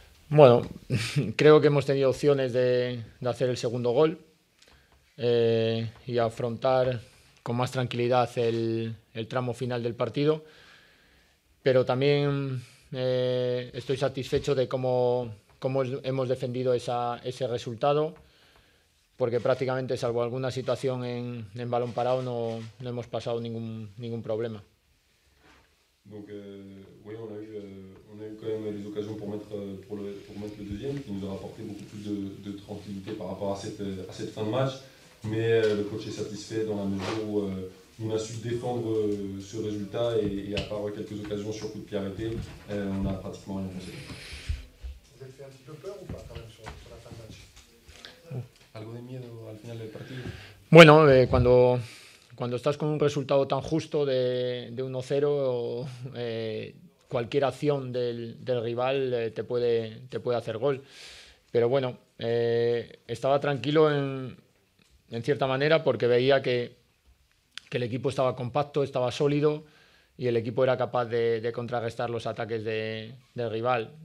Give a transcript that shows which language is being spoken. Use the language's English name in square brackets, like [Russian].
[Spanish] Bueno, creo que hemos tenido opciones de hacer el segundo gol y afrontar con más tranquilidad el tramo final del partido, pero también estoy satisfecho de cómo hemos defendido ese resultado, porque prácticamente, salvo alguna situación en balón parado, no hemos pasado ningún problema. [French] Donc, oui, on a eu quand même des occasions pour mettre le deuxième, qui nous a apporté beaucoup plus de tranquillité par rapport à cette fin de match. Mais le coach est satisfait dans la mesure où on a su défendre ce résultat et à part quelques occasions sur coup de pied arrêté, on n'a pratiquement rien passé. Vous avez fait un petit peu peur ou pas quand même sur la fin de match? [Spanish] ¿Algo de miedo al final del partido? Bueno, cuando estás con un resultado tan justo de 1-0, cualquier acción del rival te puede hacer gol. Pero bueno, estaba tranquilo en cierta manera porque veía que el equipo estaba compacto, estaba sólido y el equipo era capaz de contrarrestar los ataques del rival.